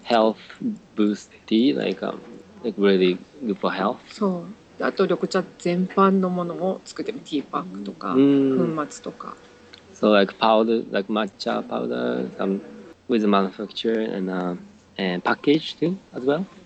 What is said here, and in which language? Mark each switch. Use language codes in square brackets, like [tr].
[en] Health boost tea, like really good for health. [ja] そう。あと緑茶全般のものも作ってます。 [en] Tea pack [ja] とか、 粉末とか。 [en] So like powder, like matcha powder, with manufacture and package too, as well?